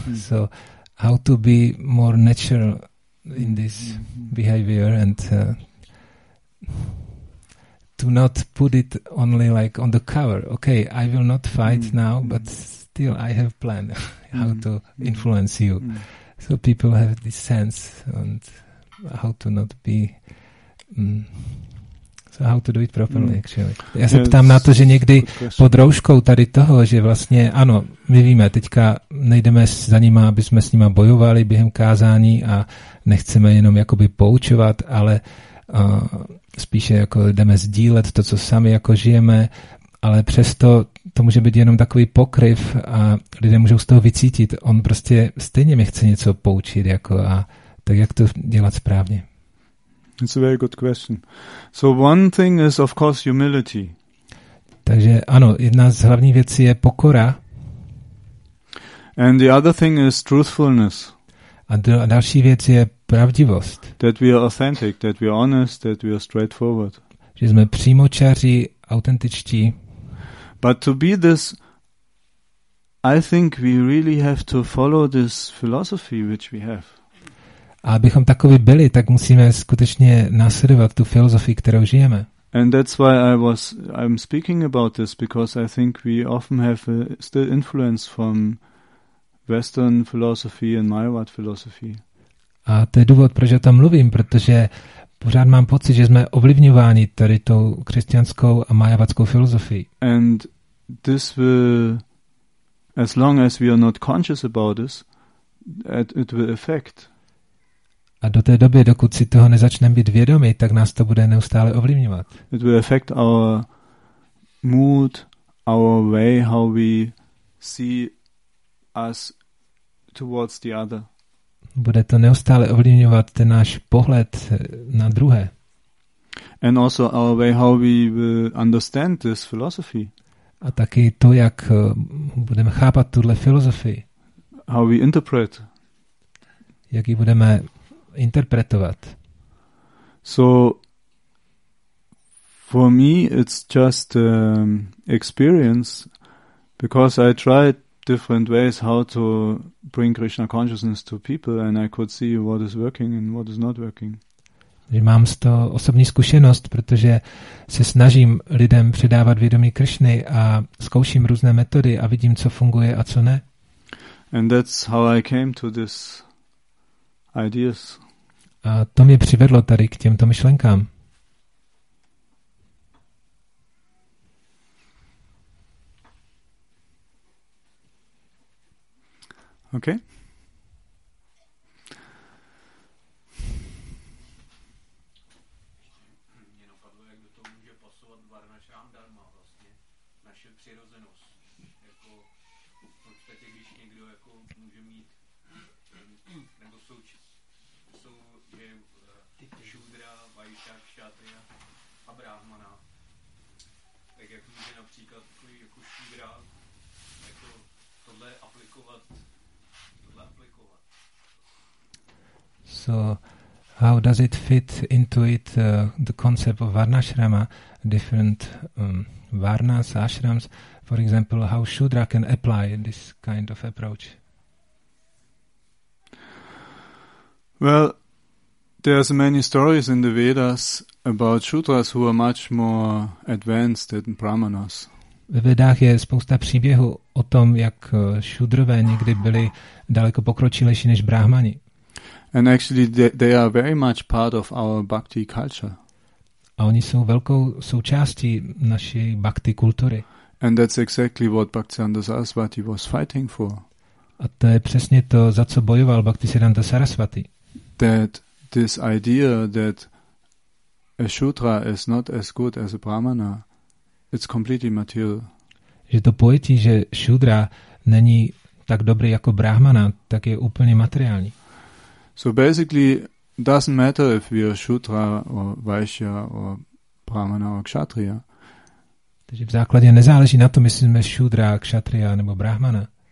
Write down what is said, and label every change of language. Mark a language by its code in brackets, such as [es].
[en] So how to be more natural in this behavior, and to not put it only like on the cover. Okay, I will not fight now, but still I have plan how to influence you. So people have this sense, and how to not be... So how to do it properly, actually. [cs] Ja sa ptám na to, že niekdy pod rouškou tady toho, že vlastne, áno, my víme, teďka nejdeme za nima, aby sme s nima bojovali během kázání a nechceme jenom jakoby poučovať, ale spíše jako jdeme sdílet to, co sami jako žijeme, ale přesto to může být jenom takový pokryv a lidé můžou z toho vycítit. On prostě stejně mi chce něco poučit, jako a tak jak to dělat správně. [en] It's a very good question. So one thing is of course humility. [cs] Takže ano, jedna z hlavních věcí je pokora. [en] And the other thing is truthfulness. [cs] A další věc je pravdivost. [en] That we are authentic, that we are honest, that we are straightforward. [cs] Že jsme přímočaří, autentičtí. [en] But to be this, I think we really have to follow this philosophy which we have. [cs] A abychom takoví byli, tak musíme skutečně následovat tu filozofii, kterou žijeme. [en] And that's why I'm speaking about this, because I think we often have still influence from Western philosophy and Mayavad philosophy. [cs] A to je důvod, proč o tom mluvím, protože pořád mám pocit, že jsme ovlivňováni tady tou křesťanskou a majavatskou filozofií. [en] And this will, as long as we are not conscious about this, it will affect. [cs] A do té doby, dokud si toho nezačneme být vědomi, tak nás to bude neustále ovlivňovat. [en] It will affect our mood, our way, how we see us towards the other. [cs] Bude to neustále ovlivňovat ten náš pohled na druhé. [en] And also our way how we will understand this philosophy. [cs] A taky to, jak budeme chápat tuhle filozofii. [en] How we interpret. [cs] Jak ji budeme interpretovat. [en] So for me it's just experience, because I tried different ways how to bring Krishna consciousness to people, and I could see what is working and what is not working. [cs] Že mám z toho osobní zkušenost, protože se snažím lidem předávat vědomí Krišny a zkouším různé metody a vidím, co funguje a co ne. [en] And that's how I came to this ideas. [cs] A to mě přivedlo tady k těmto myšlenkám. [en] Okay. [cs] Mě napadlo, jak do toho může pasovat Varnašrám Dharma, vlastně naše přirozenost. Jako v podstatě, když někdo jako může mít nebo jsou že Šudra, Vajša, Kšatria a Brahmana. Tak jak může například takový jako Šudra jako tohle aplikovat. [en] So how does it fit into it, the concept of Varnashrama, different Varnas, ashrams, for example, how Shudra can apply this kind of approach? Well, there are many stories in the Vedas about Shudras who are much more advanced than Brahmanas. [cs] Ve Vedách je spousta příběhů o tom, jak Šudrové někdy byli daleko pokročilejší než Brahmani. [en] And actually they are very much part of our bhakti culture. [cs] A oni jsou velkou součástí naší bhakti kultury. [en] And that's exactly what Bhaktisiddhanta Sarasvati was fighting for. [cs] A to je přesně to, za co bojoval Bhaktisiddhanta Sarasvati. [en] That this idea that a Shudra is not as good as a Brahmana, it's completely material. [cs] Že to pojetí, že Shudra není tak dobrý jako Brahmana, tak je úplně materiální. [en] So basically doesn't matter if we are Shudra or Vaishya or Brahmana or Kshatriya. [cs] Takže v základě nezáleží na tom, jestli jsme Shudra, Kshatriya nebo Brahmana.